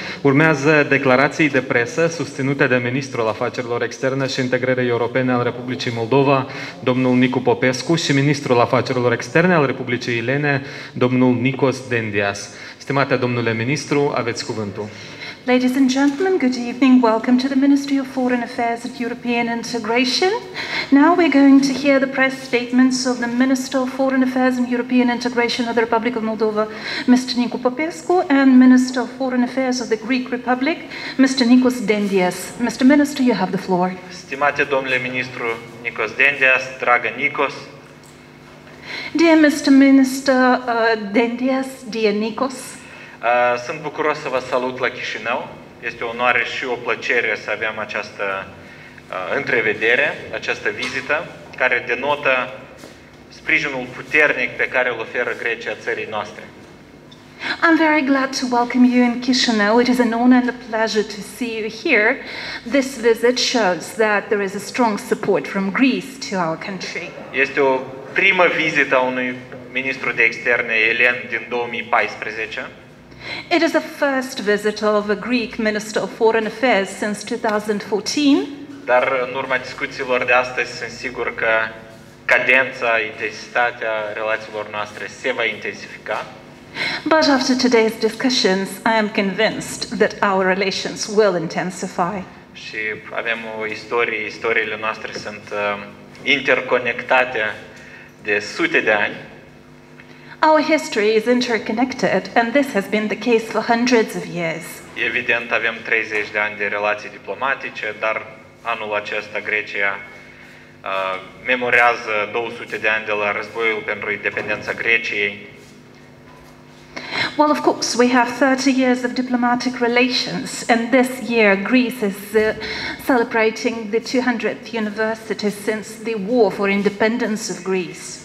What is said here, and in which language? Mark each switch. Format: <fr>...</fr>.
<ro>Urmează declarații de presă susținute de Ministrul Afacerilor Externe și Integrării Europene al Republicii Moldova, domnul Nicu Popescu, și Ministrul Afacerilor Externe al Republicii Elene, domnul Nikos Dendias. Stimate domnule ministru, aveți cuvântul.</ro> <en>Ladies and gentlemen, good evening. Welcome to the Ministry of Foreign Affairs and European Integration. Now we're going to hear the press statements of the Minister of Foreign Affairs and European Integration of the Republic of Moldova, Mr. Nicu Popescu, and Minister of Foreign Affairs of the Greek Republic, Mr. Nikos Dendias. Mr. Minister, you have the floor.</en> <ro>Stimate domnule ministru Nikos Dendias, dragă Nikos.</ro> <en>Dear Mr. Minister Dendias, dear Nikos.</en> <ro>Sunt bucuros să vă salut la Chișinău. Este o onoare și o plăcere să avem această întrevedere, această vizită, care denotă sprijinul puternic pe care îl oferă Grecia țării noastre.</ro> <en>I'm very glad to welcome you in Chișinău. It is an honor and a pleasure to see you here. This visit shows that there is a strong support from Greece to our country.</en> <ro>Este o primă vizită a unui ministru de externe elen din 2014.</ro> <en>It is the first visit of a Greek Minister of Foreign Affairs since 2014.</en> <ro>Dar în urma discuțiilor de astăzi sunt sigur că cadența, intensitatea relațiilor noastre se va intensifica.</ro> <en>But after today's discussions, I am convinced that our relations will intensify.</en> <ro>Și avem o istorie, istoriile noastre sunt interconectate de sute de ani.</ro> <en>Our history is interconnected and this has been the case for hundreds of years.</en> <ro>Evident, avem 30 de ani de relații diplomatice, dar anul acesta Grecia memorează 200 de ani de la războiul pentru independența Greciei.</ro> <en>Well, of course, we have 30 years of diplomatic relations and this year Greece is celebrating the 200th anniversary since the war for independence of Greece.</en>